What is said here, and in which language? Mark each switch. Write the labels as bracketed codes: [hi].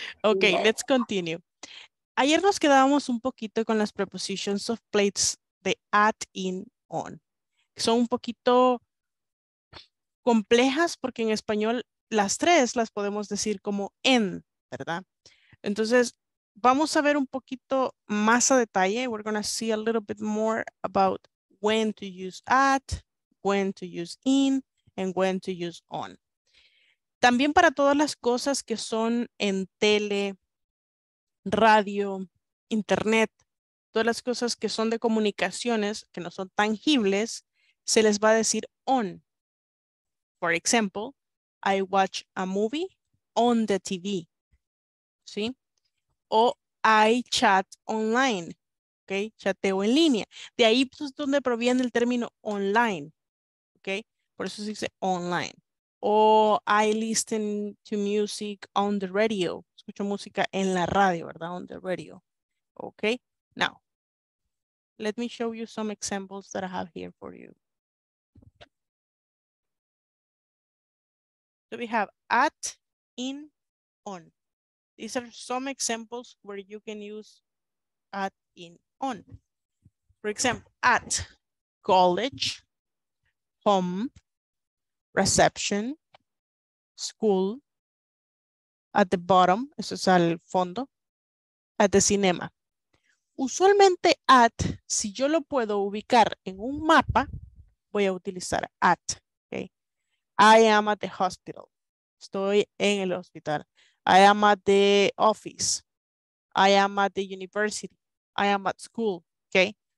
[en] Ok, yeah. Let's continue. [es] Ayer nos quedábamos un poquito con las prepositions of place de at, in, on. Son un poquito complejas porque en español las tres las podemos decir como en, ¿verdad? Entonces, vamos a ver un poquito más a detalle. [en] We're going to see a little bit more about when to use at, when to use in, and when to use on. [es] También para todas las cosas que son en tele, radio, internet, todas las cosas que son de comunicaciones, que no son tangibles, se les va a decir on. [en] For example, I watch a movie on the TV. [es] ¿Sí? O [en] I chat online. [es] ¿Ok? Chateo en línea. De ahí es donde proviene el término online. ¿Ok? Por eso se dice online. [en] O I listen to music on the radio. [es] Escucho música en la radio, ¿verdad? [en] On the radio. [es] Okay. [en] Now, let me show you some examples that I have here for you. So we have at, in, on. These are some examples where you can use at, in on. For example, at college, home, reception, school, at the bottom, [es] eso es al fondo, [en] at the cinema. [es] Usualmente at, si yo lo puedo ubicar en un mapa, voy a utilizar at. [en] Okay. I am at the hospital. [es] Estoy en el hospital. [en] I am at the office. I am at the university. I am at school. Okay.